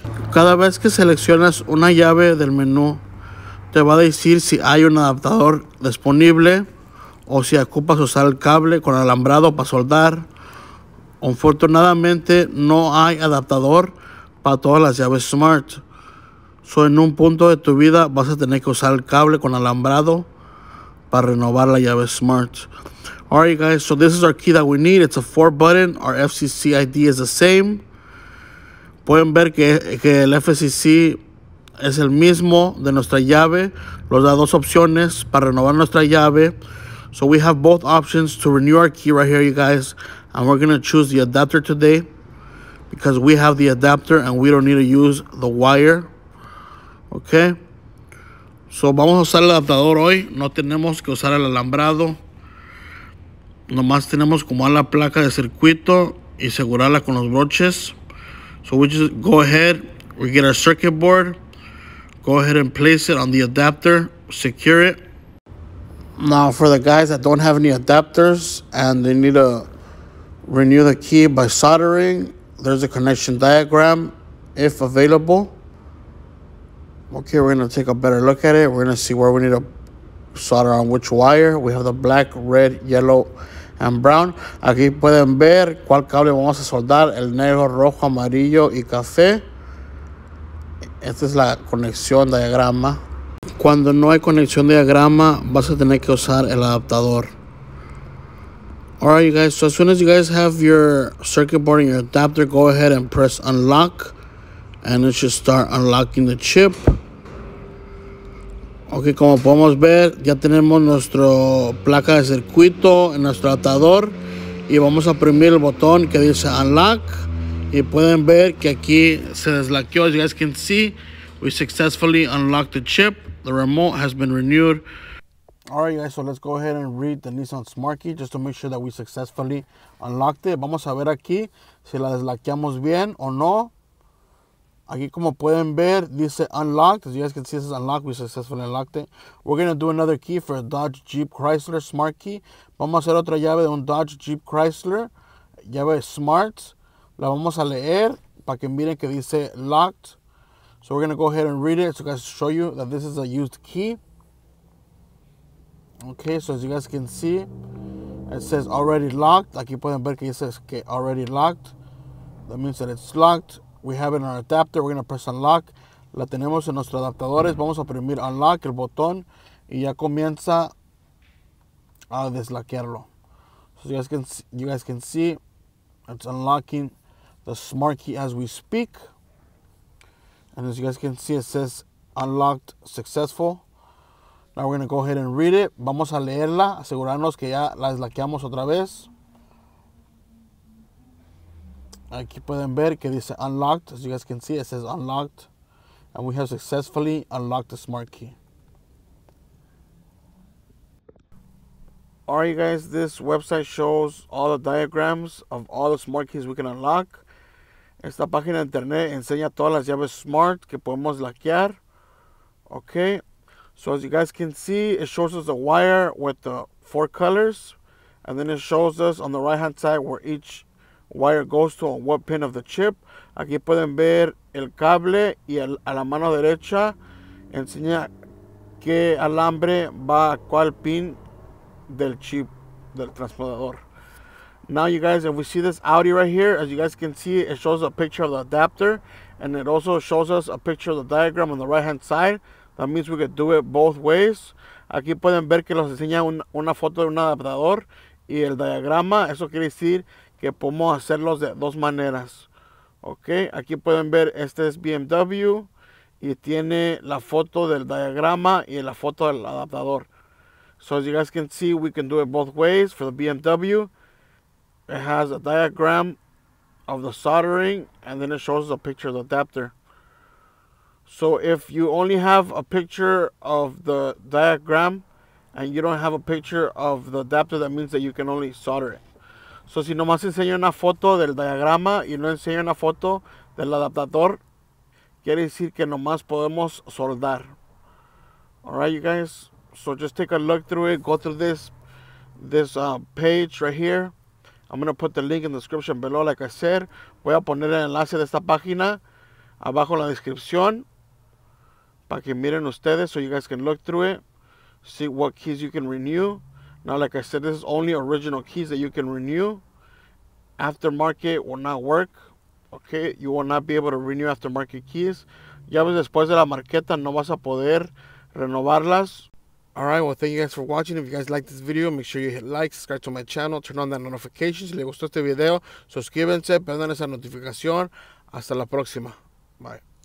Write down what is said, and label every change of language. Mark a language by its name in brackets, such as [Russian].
[Spanish] Cada vez que seleccionas una llave del menú, te va a decir si hay un adaptador disponible o si ocupas usar el cable con alambrado para soldar. Unfortunadamente, no hay adaptador para todas las llaves smart. So en un punto de tu vida vas a tener que usar el cable con alambrado para renovar la llave smart. [English] All right, guys, so this is our key that we need. It's a 4-button. Our FCC ID is the same. [Spanish] Pueden ver que el FCC es el mismo de nuestra llave. Los da dos opciones para renovar nuestra llave. [English] So we have both options to renew our key right here, you guys. And we're going to choose the adapter today, because we have the adapter and we don't need to use the wire, okay? [Spanish] So vamos a usar el adaptador hoy. No tenemos que usar el alambrado. Nomás tenemos como a la placa de circuito y asegurarla con los broches. [English] So we just go ahead, we get our circuit board, go ahead and place it on the adapter, secure it. Now for the guys that don't have any adapters and they need to renew the key by soldering, there's a connection diagram, if available. Okay, we're gonna take a better look at it. We're gonna see where we need to solder on which wire. We have the black, red, yellow, and brown. [Spanish] Aquí pueden ver cuál cable vamos a soldar, el negro, rojo, amarillo, y café. Esta es la conexión diagrama. Cuando no hay conexión diagrama, vas a tener que usar el adaptador. [English] All right, you guys, so as soon as you guys have your circuit board and your adapter, go ahead and press unlock, and it should start unlocking the chip. [Spanish] Okay, como podemos ver, ya tenemos nuestro placa de circuito en nuestro adaptador, y vamos a oprimir el botón que dice unlock, y pueden ver que aquí se deslaqueó. [English] As you guys can see, we successfully unlocked the chip. The remote has been renewed. All right, guys, so let's go ahead and read the Nissan Smart Key just to make sure that we successfully unlocked it. [Spanish] Vamos a ver aquí si la deslaqueamos bien o no. Aquí como pueden ver, dice unlocked. [English] As you guys can see, this is unlocked. We successfully unlocked it. We're going to do another key for a Dodge Jeep Chrysler Smart Key. [Spanish] Vamos a hacer otra llave de un Dodge Jeep Chrysler. Llave Smart. La vamos a leer para que miren que dice locked. [English] So we're going to go ahead and read it so I can show you that this is a used key. Okay, so as you guys can see, it says already locked. [Spanish] Aquí pueden ver que dice que already locked. [English] That means that it's locked. We have it in our adapter. We're going to press unlock. [Spanish] La tenemos en nuestros adaptadores. Vamos a oprimir unlock, el botón, y ya comienza a deslaquearlo. [English] So you guys can see, it's unlocking the smart key as we speak. And as you guys can see, it says unlocked successful. Now we're going to go ahead and read it. [Spanish] Vamos a leerla, asegurarnos que ya la deslaqueamos otra vez. Aquí pueden ver que dice unlocked. [English] As you guys can see, it says unlocked. And we have successfully unlocked the smart key. All right, you guys, this website shows all the diagrams of all the smart keys we can unlock. [Spanish] Esta página de internet enseña todas las llaves smart que podemos laquear. Okay. [English] So as you guys can see, it shows us the wire with the four colors. And then it shows us on the right-hand side where each wire goes to on what pin of the chip. [Spanish] Aquí pueden ver el cable y a la mano derecha enseña qué alambre va a cuál pin del chip del transportador. [English] Now you guys, if we see this Audi right here, as you guys can see, it shows a picture of the adapter and it also shows us a picture of the diagram on the right hand side. That means we could do it both ways. [Spanish] Aquí pueden ver que nos enseña una foto de un adaptador y el diagrama. Eso quiere decir que podemos hacerlos de dos maneras. Ok, aquí pueden ver, este es BMW y tiene la foto del diagrama y la foto del adaptador. [English] So as you guys can see, we can do it both ways. For the BMW, it has a diagram of the soldering and then it shows a picture of the adapter. So if you only have a picture of the diagram and you don't have a picture of the adapter, that means that you can only solder it. [Spanish] So si nomás enseña una foto del diagrama y no enseña una foto del adaptador, quiere decir que nomás podemos soldar. [English] All right, you guys. So just take a look through it. Go through this page right here. I'm going to put the link in the description below, like I said. [Spanish] Voy a poner el enlace de esta página abajo en la descripción para que miren ustedes, [English] so you guys can look through it, see what keys you can renew. Now, like I said, this is only original keys that you can renew. Aftermarket will not work, okay? You will not be able to renew aftermarket keys. [Spanish] Ya ves, después de la marqueta, no vas a poder renovarlas. [English] All right, well, thank you guys for watching. If you guys like this video, make sure you hit like, subscribe to my channel, turn on that notification. [Spanish] Si les gustó este video, suscríbanse, prendan esa notificación. Hasta la próxima. Bye.